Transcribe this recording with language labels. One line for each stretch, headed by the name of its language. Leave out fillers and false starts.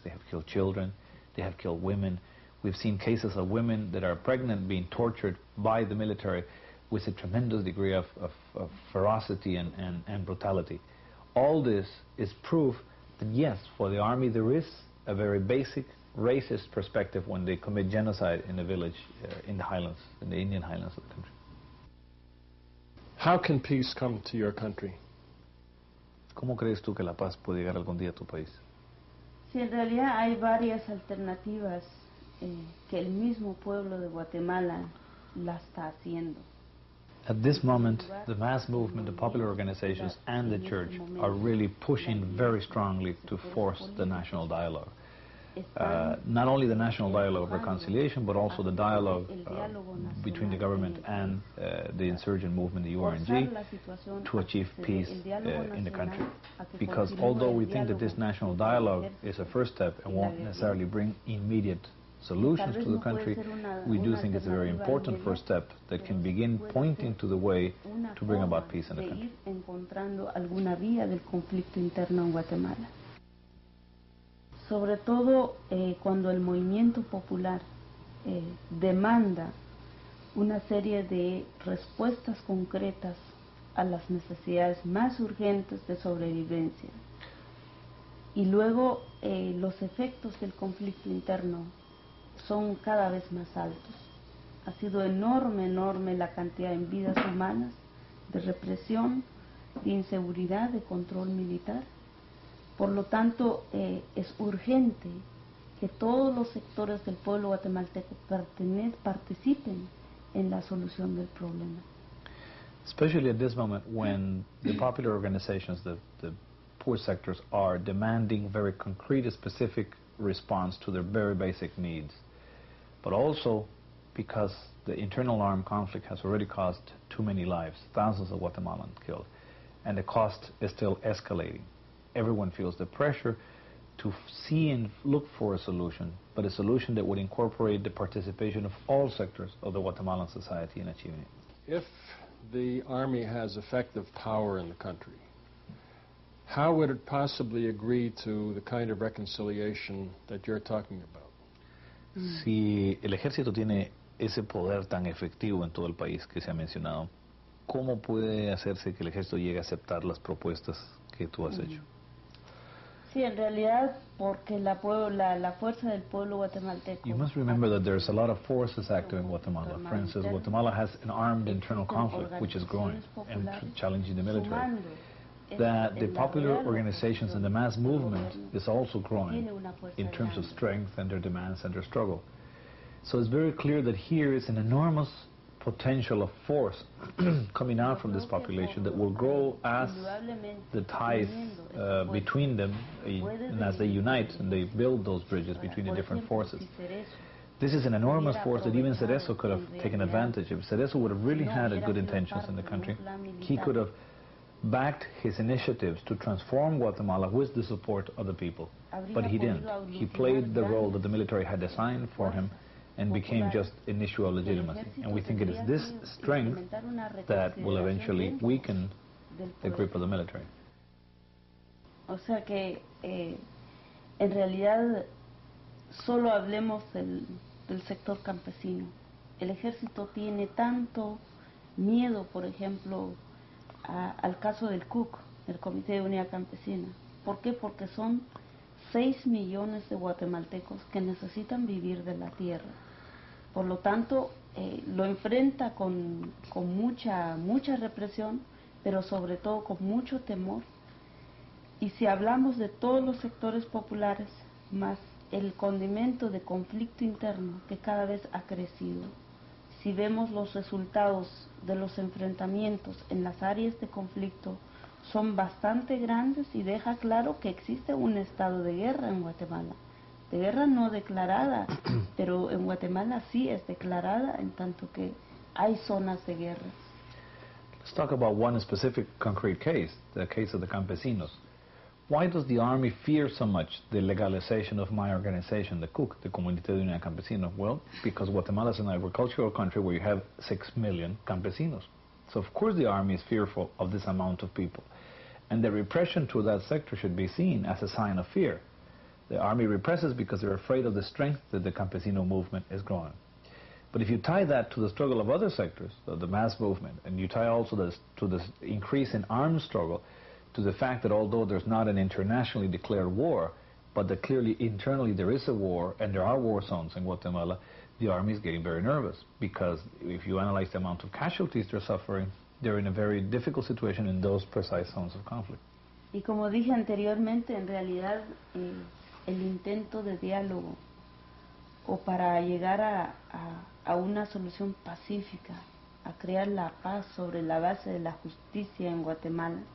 English: They have killed children, they have killed women. We've seen cases of women that are pregnant being tortured by the military with a tremendous degree of ferocity and brutality. All this is proof that yes, for the army, there is a very basic racist perspective when they commit genocide in a village in the highlands, in the Indian highlands of the country. How can peace come to your country?
Spanish: ¿Cómo crees tú que la paz puede llegar algún día a tu país? Sí, en realidad hay varias alternativas que el mismo pueblo de Guatemala la está haciendo.
English: At this moment, the mass movement, the popular organizations and the church are really pushing very strongly to force the national dialogue. Not only the national dialogue of reconciliation, but also the dialogue between the government and the insurgent movement, the URNG, to achieve peace in the country. Because although we think that this national dialogue is a first step and won't necessarily bring immediate solutions to the country, we do think it's a very important first step that can begin pointing to the way to bring about peace in the country.
Spanish: Sobre todo cuando el movimiento popular demanda una serie de respuestas concretas a las necesidades más urgentes de sobrevivencia. Y luego los efectos del conflicto interno son cada vez más altos. Ha sido enorme, enorme la cantidad en vidas humanas, de represión, de inseguridad, de control militar. Por lo tanto, es urgente que todos los sectores del pueblo guatemalteco participen en la solución del problema.
English: Especially at this moment when the popular organizations, the poor sectors, are demanding very concrete, specific response to their very basic needs, but also because the internal armed conflict has already cost too many lives, thousands of Guatemalans killed, and the cost is still escalating. Everyone feels the pressure to see and look for a solution, but a solution that would incorporate the participation of all sectors of the Guatemalan society in achieving it. If the army has effective power in the country, how would it possibly agree to the kind of reconciliation that you're talking about? Si el ejército tiene ese poder tan efectivo en todo el país que se ha mencionado, ¿cómo puede hacerse que el ejército llegue a aceptar las propuestas que tú has hecho? Sí, en realidad, porque la fuerza del pueblo guatemalteco. You must remember that there's a lot of forces active in Guatemala. For instance, Guatemala has an armed internal conflict, which is growing and challenging the military. That the popular organizations and the mass movement is also growing in terms of strength and their demands and their struggle. So it's very clear that here is an enormous potential of force coming out from this population that will grow as the ties between them and as they unite and they build those bridges between the different forces. This is an enormous force that even Cerezo could have taken advantage of. Cerezo would have really had a good intentions in the country. He could have backed his initiatives to transform Guatemala with the support of the people, but he didn't. He played the role that the military had designed for him and became just an issue of legitimacy. And we think it is this strength that will eventually weaken the grip of the military.
Spanish: O sea que, en realidad, solo hablemos del sector campesino. El ejército tiene tanto miedo, por ejemplo, al caso del CUC, el Comité de Unidad Campesina. ¿Por qué? Porque son 6 millones de guatemaltecos que necesitan vivir de la tierra. Por lo tanto, lo enfrenta con mucha represión, pero sobre todo con mucho temor. Y si hablamos de todos los sectores populares, más el condimento de conflicto interno que cada vez ha crecido, si vemos los resultados de los enfrentamientos en las áreas de conflicto, son bastante grandes y deja claro que existe un estado de guerra en Guatemala. De guerra no declarada, pero en Guatemala sí es declarada, en tanto que hay zonas de guerra.
English: Let's talk about one specific concrete case, the case of the campesinos. Why does the army fear so much the legalization of my organization, the CUC, the Comunidad de Unidad Campesina? Well, because Guatemala is an agricultural country where you have 6 million campesinos. So of course the army is fearful of this amount of people. And the repression to that sector should be seen as a sign of fear. The army represses because they're afraid of the strength that the campesino movement is growing. But if you tie that to the struggle of other sectors, the mass movement, and you tie also this to this increase in armed struggle, to the fact that although there's not an internationally declared war, but that clearly internally there is a war, and there are war zones in Guatemala, the army is getting very nervous. Because if you analyze the amount of casualties they're suffering, they're in a very difficult situation in those precise zones of conflict.
Spanish: Y como dije anteriormente, en realidad, el intento de diálogo o para llegar a una solución pacífica, a crear la paz sobre la base de la justicia en Guatemala.